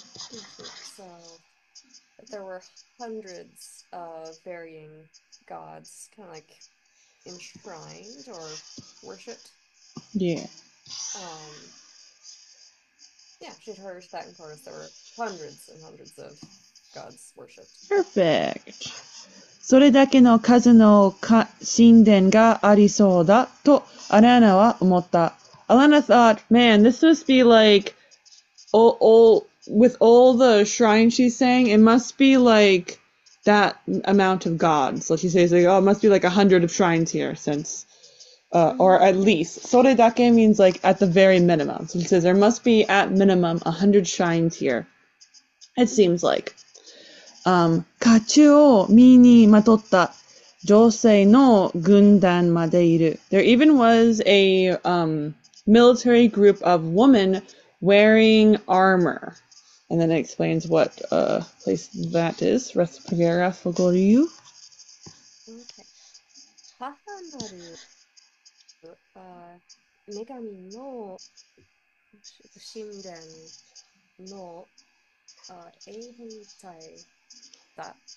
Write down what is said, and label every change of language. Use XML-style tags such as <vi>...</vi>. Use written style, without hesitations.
<en>So, there were hundreds of varying gods kind of like enshrined or worshipped. Yeah. She'd heard that in chorus there were hundreds and hundreds of gods worshipped. Perfect.</en> <ja>それだけの数の神殿がありそうだとアラナは思った。</ja> <en>Alanna thought, man, this must be like with all the shrines she's saying, it must be like that amount of gods. So she says, like, oh, it must be like 100 of shrines here, since, or at least. Sore dake means like at the very minimum. So she says, there must be at minimum 100 shrines here. It seems like.</en> <ja>甲冑を身にまとった女性の軍団までいる。</ja> <en>There even was a, military group of women wearing armor. And then it explains what place that is. Respira fogo ryu. Okay.</en> <ja>母なる、女神の神殿の、英雄隊だ。</ja>